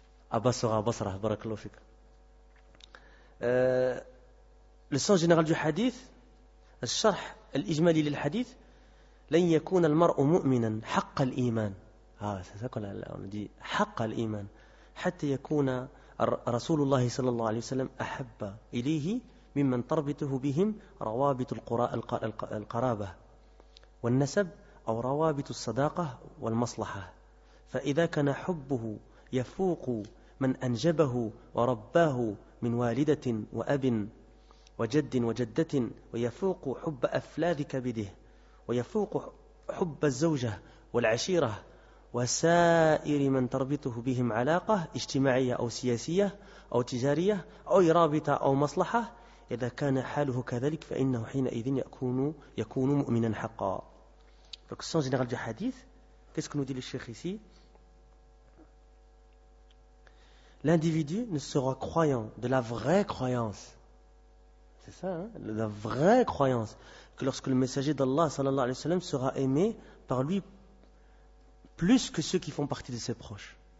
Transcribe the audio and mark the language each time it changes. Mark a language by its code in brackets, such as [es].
[ar] Abbasra, barakallahu fik. [fr] Le sens général du hadith, le [ar] charh al-ijmali lil hadith, لن يكون المرء مؤمنا حق الإيمان. [fr] Ah, c'est ça qu'on dit, [ar] حق الإيمان. حتى يكون رسول الله صلى الله عليه وسلم أحب إليه ممن تربطه بهم روابط القرابة والنسب أو روابط الصداقة والمصلحة فإذا كان حبه يفوق من أنجبه ورباه من والدة وأب وجد وجدة ويفوق حب أفلاذ كبده ويفوق حب الزوجة والعشيرة وسائر من تربطه بهم علاقة اجتماعية أو سياسية أو تجارية أو رابطة أو مصلحة إذا كان حاله كذلك فإنه حينئذ يكون مؤمنا حقا. [fr] Donc, sans général du hadith, qu'est-ce que nous dit le Cheikh ici? L'individu ne sera croyant de la vraie croyance. C'est ça, hein? De la vraie croyance. Que lorsque le messager d'Allah, sallallahu alayhi wa sallam, sera aimé par lui plus que ceux qui font partie de ses proches.